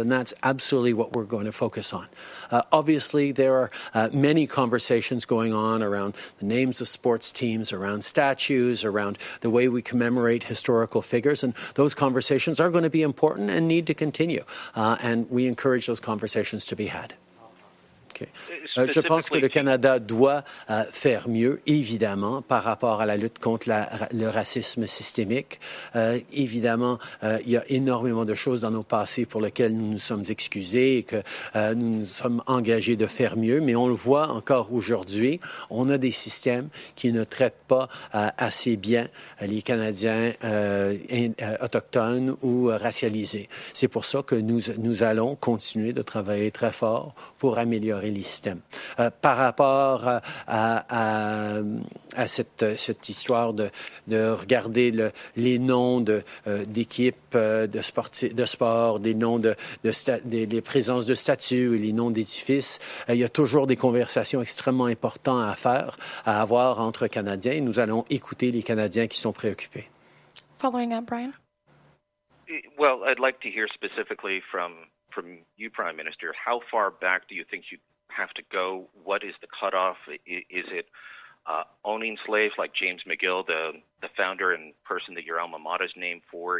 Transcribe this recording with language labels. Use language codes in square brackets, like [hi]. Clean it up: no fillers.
[en] And that's absolutely what we're going to focus on. Obviously, there are many conversations going on around the names of sports teams, around statues, around the way we commemorate historical figures. And those conversations are going to be important and need to continue. And we encourage those conversations to be had. Okay. [fr] Je pense que le Canada doit faire mieux, évidemment, par rapport à la lutte contre le racisme systémique. Évidemment, il y a énormément de choses dans nos passés pour lesquelles nous nous sommes excusés et que nous nous sommes engagés de faire mieux, mais on le voit encore aujourd'hui, on a des systèmes qui ne traitent pas assez bien les Canadiens autochtones ou racialisés. C'est pour ça que nous allons continuer de travailler très fort pour améliorer les systèmes. Par rapport à cette histoire de regarder les noms d'équipes de sport, des noms des présences de statues, les noms d'édifices, il y a toujours des conversations extrêmement importantes à faire, à avoir entre Canadiens. Nous allons écouter les Canadiens qui sont préoccupés. [en] Following up, Brian. Well, I'd like to hear specifically from you, Prime Minister, how far back do you think you have to go? What is the cutoff? Is it owning slaves like James McGill, the founder and person that your alma mater is named for?